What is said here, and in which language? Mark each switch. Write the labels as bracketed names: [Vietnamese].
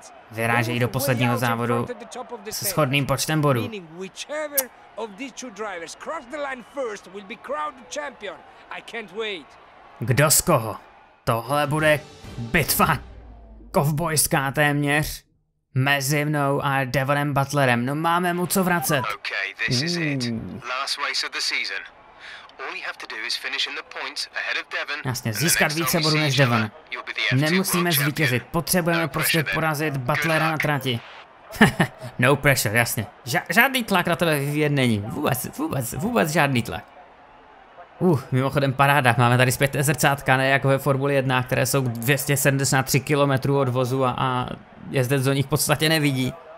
[Czech] Vyrážejí do posledního závodu se shodným počtem bodů. [English] Of these two drivers cross the line first will be crowned champion. I can't wait. [Czech] Kdo z koho? Tohle bude bitva kovbojská téměř mezi mnou a Devonem Butlerem. No máme mu co vracet. [English] Okay, this is it. Last race of the season. All you have to do is finish in the points ahead of Devon. [Czech] Jasně, získat více bodů než Devon. Nemusíme zvítězit, potřebujeme prostě porazit Butlera na trati. [English] No pressure, [Czech] jasně. Žádný tlak na tebe vyvíjet není. Vůbec žádný tlak. Mimochodem paráda, máme tady zpět zrcátka, ne jako ve Formuli 1, které jsou 273 km od vozu a jezdec do nich v podstatě nevidí.